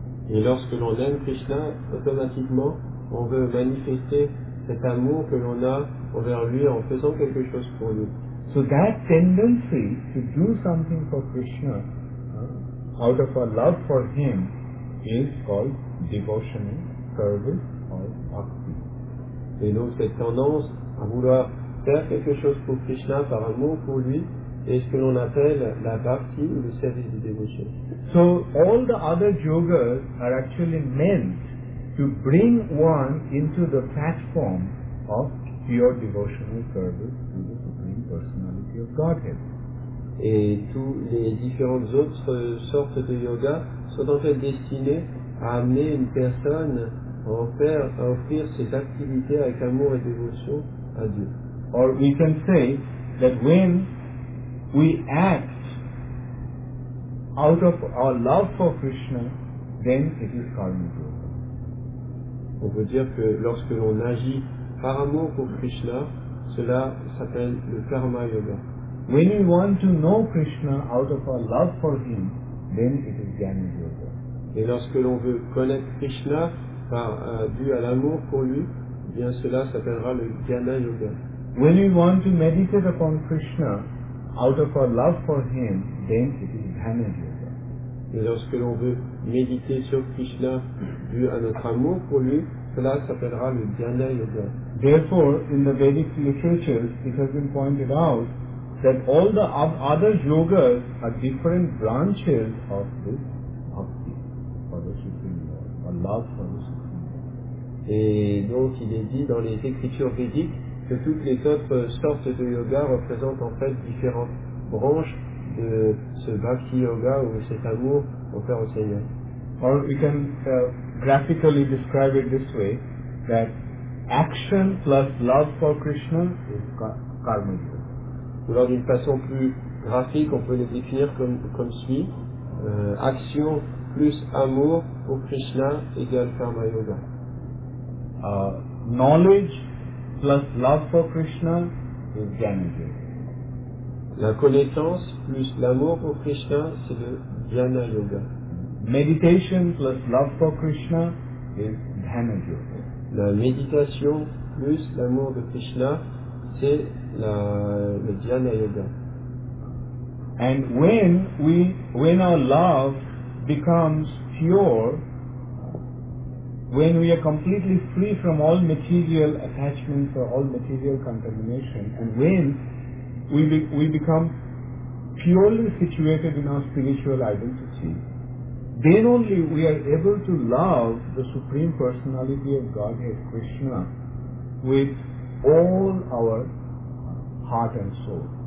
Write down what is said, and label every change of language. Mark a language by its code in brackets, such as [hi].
[fr] Et lorsque l'on aime Krishna, automatiquement, on veut manifester cet amour que l'on a envers lui en faisant quelque chose pour lui. [en] So that tendency to do something for Krishna out of our love for him is called devotional service or bhakti. [fr] Et donc cette tendance à vouloir faire quelque chose pour Krishna par amour pour lui est ce que l'on appelle la bhakti ou le service de dévotion. [en] So all the other yogas are actually meant to bring one into the platform of pure devotional service to the Supreme Personality of Godhead. [fr] Et toutes les différentes autres sortes de yoga sont en fait destinées à amener une personne à offrir ses activités avec amour et dévotion à Dieu. [en] Or we can say that when we act out of our love for Krishna, then it is karma yoga. [fr] On peut dire que lorsque l'on agit par amour pour Krishna, cela s'appelle le karma yoga. [en] When we want to know Krishna out of our love for him, then it is jnana yoga. [fr] Et lorsque l'on veut connaître Krishna dû à l'amour pour lui, bien cela s'appellera le jnana yoga. [en] When we want to meditate upon Krishna out of our love for him, then it is jnana yoga. [fr] Et lorsque l'on veut méditer sur Krishna dû à notre amour pour lui, cela s'appellera le jnana yoga. [en] Therefore, in the Vedic literatures, it has been pointed out that all the other yogas are different branches of this bhakti for the Supreme Lord, or love for the Supreme Lord. [fr] Et donc il est dit dans les écritures védiques que toutes les autres sortes de yoga représentent en fait différentes branches de ce bhakti yoga ou cet amour offert au Seigneur. [en] Or we can graphically describe it this way, that action plus love for Krishna is karma yoga. [fr] Ou alors d'une façon plus graphique, on peut les définir comme suit. Action plus amour pour Krishna égale karma yoga. [en] Knowledge plus love for Krishna is jnana yoga. [fr] La connaissance plus l'amour pour Krishna, c'est le jnana yoga. [en] Meditation plus love for Krishna is dhyana yoga. [fr] La méditation plus l'amour de Krishna, c'est le jnana yoga. [en] And when our love becomes pure, when we are completely free from all material attachments or all material contamination, and when we become purely situated in our spiritual identity, then only we are able to love the Supreme Personality of Godhead, Krishna, with all our heart and soul.